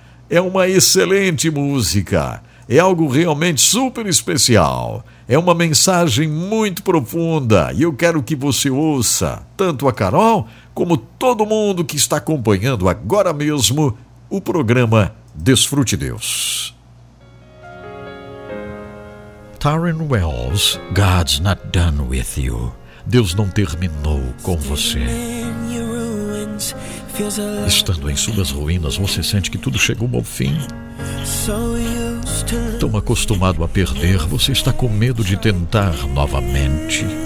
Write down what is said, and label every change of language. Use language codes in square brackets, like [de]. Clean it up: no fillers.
[pt] É uma excelente música. É algo realmente super especial. É uma mensagem muito profunda e eu quero que você ouça, tanto a Carol como todo mundo que está acompanhando agora mesmo o programa Desfrute Deus. [en] Taryn Wells, God's not done with you. [pt] Deus não terminou com você. Estando em suas ruínas, você sente que tudo chegou ao fim. Tão acostumado a perder, você está com medo de tentar novamente.